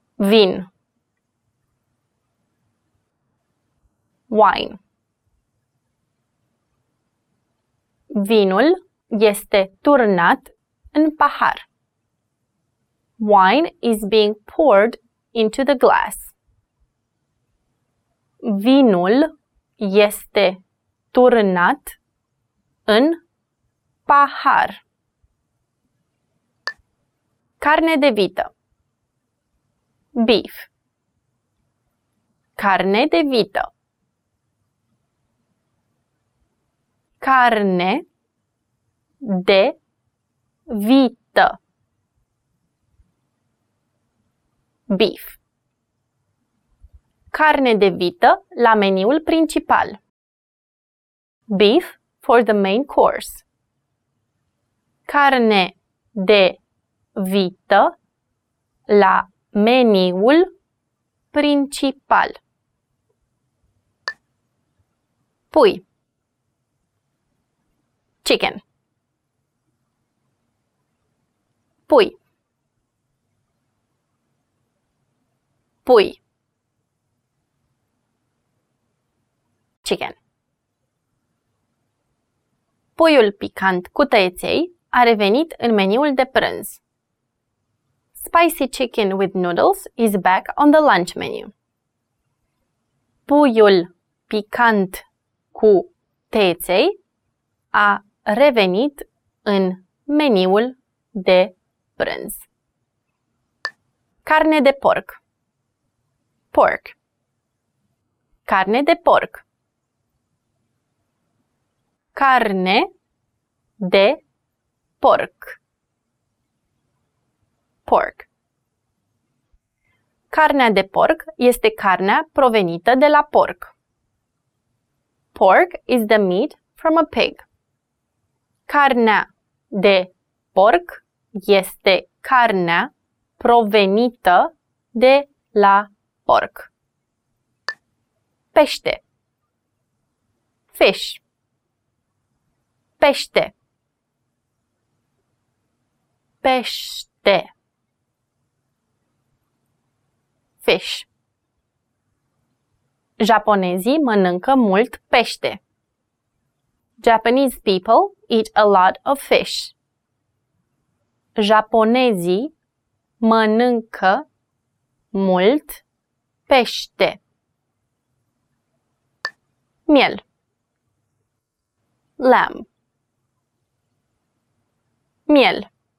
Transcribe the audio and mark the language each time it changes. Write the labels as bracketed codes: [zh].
[ro] Vin. [en] Wine. [ro] Vinul este turnat în pahar. [en] Wine is being poured into the glass. [ro] Vinul este turnat în pahar. Carne de vită. Beef. Carne de vită. Carne de vită. [en] 的 Beef. [ro] Carne de vită, la meniul principal. [en] Beef for the main course. [ro] Carne de vită, la meniul principal. Pui. [en] Chicken. [ro] Pui. Pui. [en] Chicken. [ro] Puiul picant cu tăieței a revenit în meniul de prânz. [en] Spicy chicken with noodles is back on the lunch menu. [ro] Puiul picant cu tăieței a revenit în meniul de prânz. Carne de porc. Pork. Carne de porc. Carne de porc. [en] Pork. [ro] Carnea de porc este carnea provenită de la porc. [en] Pork is the meat from a pig. [ro] Carnea de porc este carnea provenită de la porc. Pește. Fish. Pește. Pește. [en] Fish. [ro] Japonezii mănâncă mult pește. [en] Japanese people eat a lot of fish. [ro] Japonezii mănâncă mult pește. Miel. Lamb. Miel.